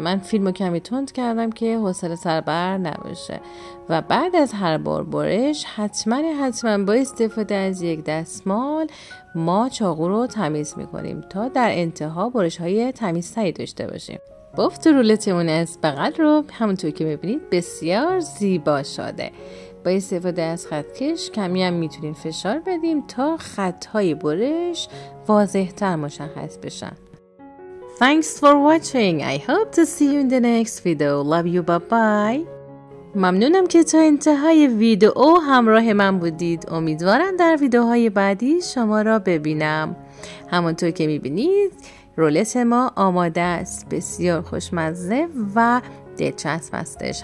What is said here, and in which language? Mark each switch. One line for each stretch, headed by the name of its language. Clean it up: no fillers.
Persian: من فیلمو کمی تند کردم که حوصله سربر نباشه و بعد از هر بار برش حتما با استفاده از یک دستمال ما چاقو رو تمیز میکنیم تا در انتها برش های تمیزتری داشته باشیم. بافت رولتمون از بغل رو همونطور که میبینید بسیار زیبا شده. با استفاده از خطکش کمی هم میتونیم فشار بدیم تا خطهای برش واضح تر مشخص بشن.
English: Thanks for watching. I hope to see you in the next video. Love you. Bye bye.
Persian: ممنونم که تا انتهای ویدیو همراه من بودید. امیدوارم در ویدیوهای بعدی شما را ببینم. همونطور که میبینید رولت ما آماده است. بسیار خوشمزه و دلچسب استش.